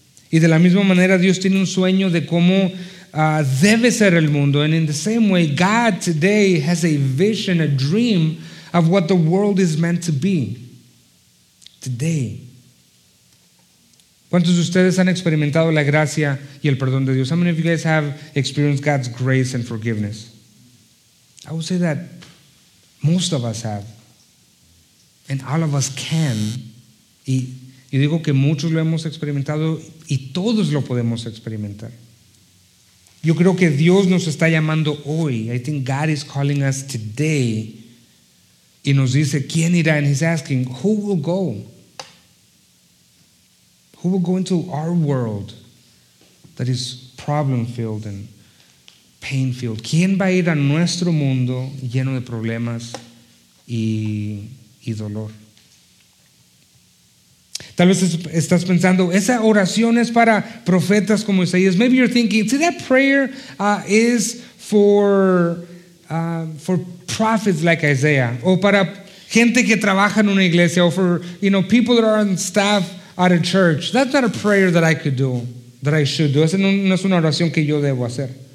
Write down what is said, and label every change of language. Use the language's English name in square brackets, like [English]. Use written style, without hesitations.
[Spanish] Y de la misma manera, Dios tiene un sueño de cómo debe ser el mundo. [English] And in the same way, God today has a vision, a dream of what the world is meant to be today. [Spanish] ¿Cuántos de ustedes han experimentado la gracia y el perdón de Dios? [English] How many of you guys have experienced God's grace and forgiveness? I would say that most of us have. And all of us can. [Spanish] Y digo que muchos lo hemos experimentado y todos lo podemos experimentar. Yo creo que Dios nos está llamando hoy. [English] I think God is calling us today. [Spanish] Y nos dice, ¿quién irá? [English] And he's asking, who will go? Who will go into our world that is problem-filled and pain-filled? [Spanish] ¿Quién va a ir a nuestro mundo lleno de problemas y dolor? Tal vez estás pensando, esa oración es para profetas como Isaías. [English] Maybe you're thinking, see, that prayer is for prophets like Isaiah, [Spanish] o para gente que trabaja en una iglesia, [English] o for, you know, people that are on staff at a church. That's not a prayer that I could do, that I should do. [Spanish] Esa no es una oración que yo debo hacer.